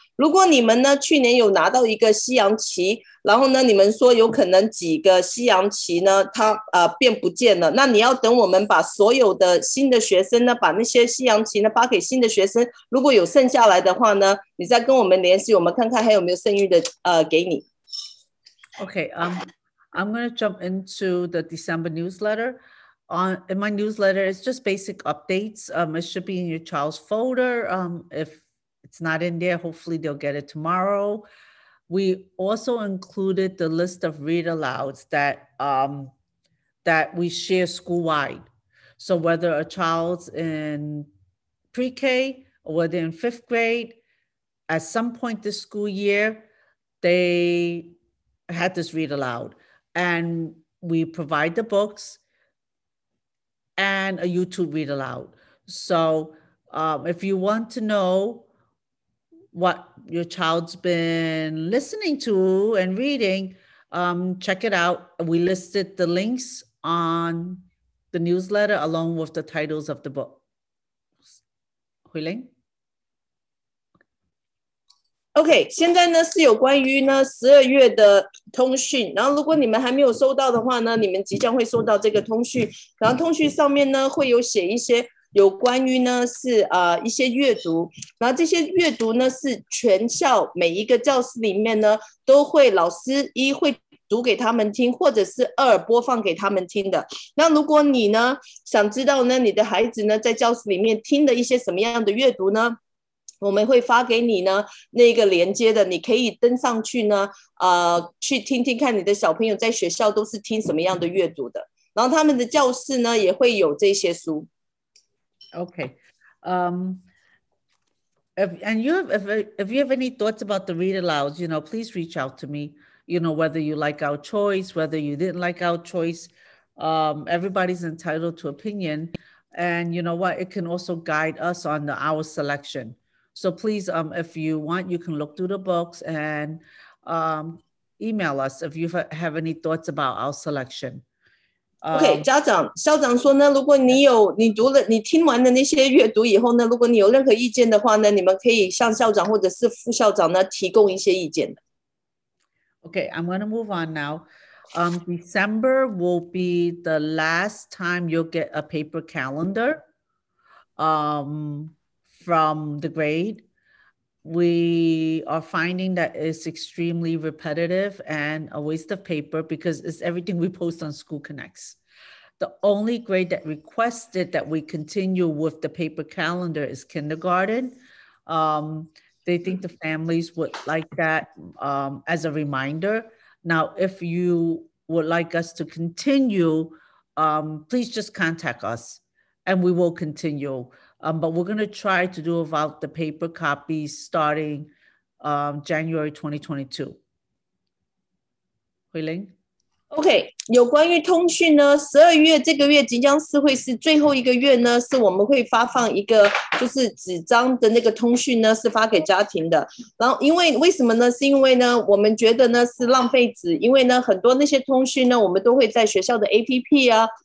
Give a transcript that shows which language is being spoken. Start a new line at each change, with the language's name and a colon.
Chinese: 如果你们呢去年有拿到一个西洋棋，然后呢你们说有可能几个西洋棋呢它变不见了，那你要等我们把所有的新的学生呢把那些西洋棋呢发给新的学生，如果有剩下来的话呢，你再跟我们联系，我们看看还有没有剩余的给你。
English: OK， I'm gonna jump into the December newsletter. In my newsletter, it's just basic updates. It should be in your child's folder. If it's not in there, hopefully they'll get it tomorrow. We also included the list of read alouds that, that we share school-wide. So whether a child's in pre-K or whether they're in fifth grade, at some point this school year, they had this read aloud. And we provide the books and a YouTube read aloud. So if you want to know what your child's been listening to and reading, check it out. We listed the links on the newsletter along with the titles of the book. Huiling?
Chinese: OK, 现在呢是有关于呢十二月的通讯，然后如果你们还没有收到的话呢，你们即将会收到这个通讯，然后通讯上面呢会有写一些有关于呢是一些阅读，然后这些阅读呢是全校每一个教室里面呢都会老师一会读给他们听，或者是二播放给他们听的。那如果你呢想知道呢你的孩子呢在教室里面听的一些什么样的阅读呢，我们会发给你呢那个连接的，你可以登上去呢去听听看你的小朋友在学校都是听什么样的阅读的，然后他们的教室呢也会有这些书。
English: OK, if you have any thoughts about the read alouds, you know, please reach out to me, you know, whether you like our choice, whether you didn't like our choice, everybody's entitled to opinion. And you know what, it can also guide us on our selection. So please, if you want, you can look through the books and email us if you have any thoughts about our selection.
Chinese: OK, 家长校长说呢，如果你有你读了你听完的那些阅读以后呢，如果你有任何意见的话呢，你们可以向校长或者是副校长呢提供一些意见的。
English: OK, I'm going to move on now. December will be the last time you'll get a paper calendar from the grade. We are finding that it's extremely repetitive and a waste of paper because it's everything we post on School Connects. The only grade that requested that we continue with the paper calendar is kindergarten. They think the families would like that as a reminder. Now, if you would like us to continue, please just contact us and we will continue. But we're going to try to do about the paper copies starting January 2022. Huiling?
Chinese: OK, 有关于通讯呢，十二月这个月即将是会是最后一个月呢，是我们会发放一个就是纸张的那个通讯呢，是发给家庭的。然后因为为什么呢？是因为呢，我们觉得呢是浪费纸，因为呢很多那些通讯呢，我们都会在学校的 APP 啊，